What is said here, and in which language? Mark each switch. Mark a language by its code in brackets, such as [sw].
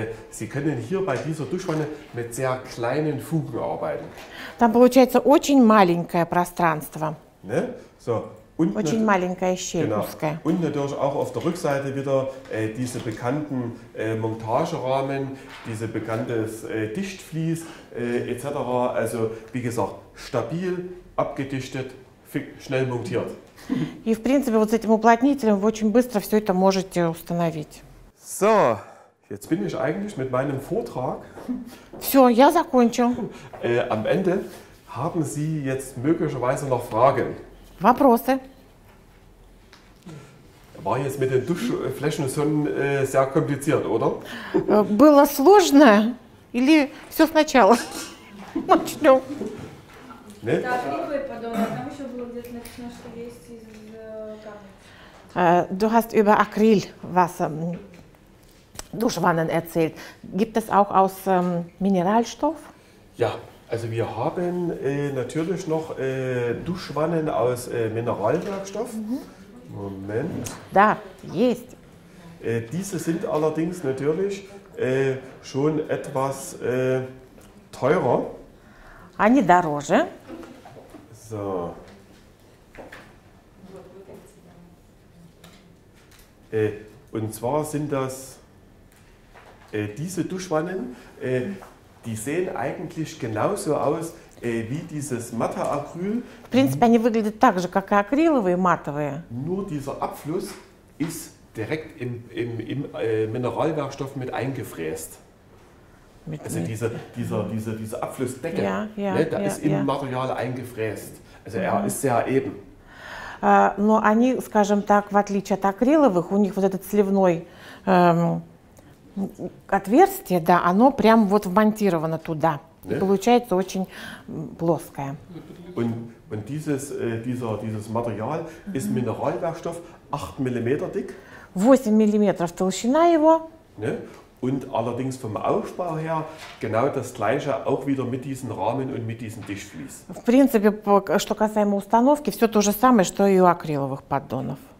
[de] Sie können hier bei dieser Duschwanne mit sehr kleinen Fugen arbeiten. [ru] Там получается очень маленькое пространство. [de] Ne? So. Und [ru] очень маленькая щель, [de] genau. [ru] Узкая. [de] Und natürlich auch auf der Rückseite wieder diese bekannten Montagerahmen, diese bekanntes Dichtvlies etc. Also wie gesagt, stabil, abgedichtet, schnell montiert. [ru] И в принципе вот с этим уплотнителем вы очень быстро все это можете установить. [de] So, jetzt bin ich eigentlich mit meinem Vortrag. [ru] Все, я закончил. [de] Am Ende haben Sie jetzt möglicherweise noch Fragen. [ru] Вопросы. [de] War jetzt mit den Duschflächen schon sehr kompliziert, oder? [ru] Было сложно или все сначала? Начнем. [de] Ne? [ru] Да, первый поддон. Там еще было где-то написано, что есть из камня. [de] Du hast über Acryl was Duschwannen erzählt. Gibt es auch aus Mineralstoff? Ja. Also wir haben natürlich noch Duschwannen aus Mineralwerkstoff. Mhm. Moment. [ru] Da, есть. [de] Diese sind allerdings natürlich schon etwas teurer. [ru] Они дороже. [de] So. Und zwar sind das diese Duschwannen. Die sehen eigentlich genauso aus wie dieses matte Acryl. [ru] В принципе, они выглядят так же, как и акриловые, матовые. [de] Nur dieser Abfluss ist direkt im Mineralwerkstoff mit eingefräst. Also diese Abflussdecke, ja, ja, ne, da ja, ist im ja. Material eingefräst. Also er ist sehr eben. [ru] Но они, скажем так, в отличие от акриловых, у них вот этот сливной отверстие, да, оно прям вот вмонтировано туда. [de] Ne? [ru] И получается очень плоское. [de] Und dieses Material ist Mineralwerkstoff 8 mm dick. [ru] 8 mm толщина его. [de] Ne? Und allerdings vom Aufbau her genau das gleiche auch wieder mit diesen Rahmen und mit diesen Tischfließen. [ru] В принципе, что касаемо установки, все то же самое, что и у акриловых поддонов.